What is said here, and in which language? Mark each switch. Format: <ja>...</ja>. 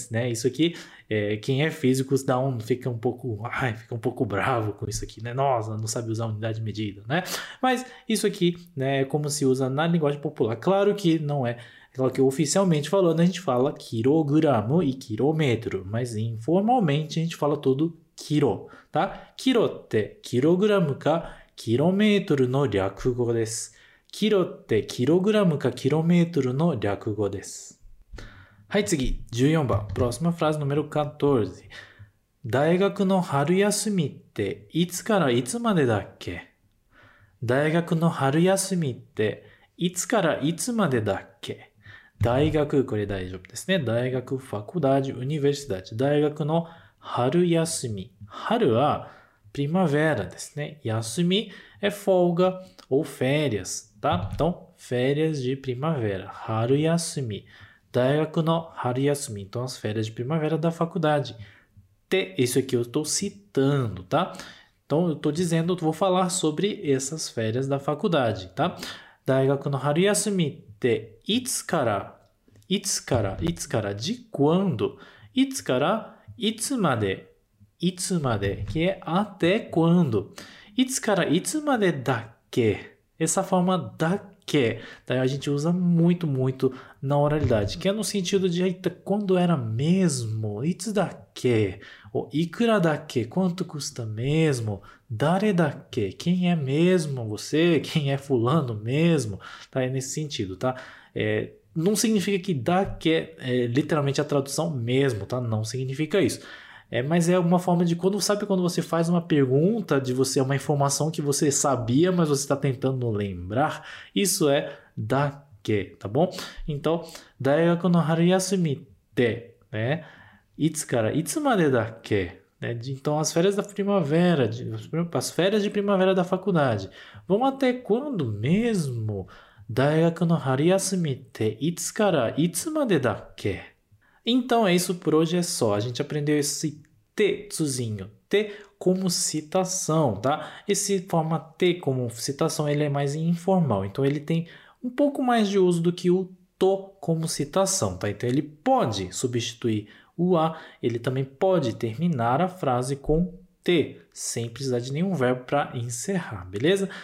<pt>Isso aqui, quem é físico fica um pouco bravo com isso aqui, né? Nossa, não sabe usar unidade de medida, né? Mas isso aqui, né, é como se usa na linguagem popular. Claro que não é... Claro que oficialmente falando, a gente fala quilogramo e quilômetro, mas informalmente a gente fala todo quilo, tá?</pt> <ja>Quilo って quilogramo か quilômetro の略語です。 Quilo って quilogramo か quilômetro の略語です。はい、次、14番。</ja> <pt>Próxima frase número 14.</pt> <ja>大学の春休みっていつからいつまでだっけ? 大学の春休みっていつからいつまでだっけ? 大学、これ大丈夫ですね。大学、ファクダージ、ユニバーシダージ。大学の春休み。春は、プリマヴェラですね。</ja> <pt>休み、é folga ou férias, tá? Então, férias de primavera.</pt> <ja>春休み。大学の春休み。</ja> <pt>Então, as férias de primavera da faculdade. Te, isso aqui eu estou citando, tá? Então, eu estou dizendo, eu vou falar sobre essas férias da faculdade, tá?</pt> <ja>大学の春休み。で、いつから、いつから、いつから、</ja> <pt>de quando、</pt> <ja>いつから、いつまで、いつまで、</ja> <pt>que é até quando、</pt> <ja>いつから、いつまでだっけ、</ja> <pt>essa forma</pt> <ja>だっけ、</ja> <pt>daí a gente usa muito, muito na oralidade, que é no sentido de quando era mesmo,</pt> <ja>いつだっけ、</ja> <pt>ou</pt> <ja>いくらだっけ、</ja> <pt>quanto custa mesmo,</pt> <ja>誰だっけ?</ja> <pt>Quem é mesmo você? Quem é fulano mesmo? Tá? É nesse sentido, tá? É, não significa que da que é literalmente a tradução mesmo, tá? Não significa isso. É, mas é uma forma de quando, sabe quando você faz uma pergunta de você, uma informação que você sabia, mas você está tentando lembrar? Isso é da que, tá bom?</pt> <ja>Então, 大学の春休みって, né? いつから、いつまでだっけ?</ja> <pt>Então, as férias da primavera, as férias de primavera da faculdade. Vão até quando mesmo?</pt> <ja>大学の春休みっていつからいつまでだっけ?</ja> <pt>Então, é isso por hoje, é só. A gente aprendeu esse tzinho. T como citação, tá? Esse forma T como citação, ele é mais informal. Então, ele tem um pouco mais de uso do que o to como citação, tá? Então, ele pode substituir... O A, ele também pode terminar a frase com T, sem precisar de nenhum verbo para encerrar, beleza?</pt>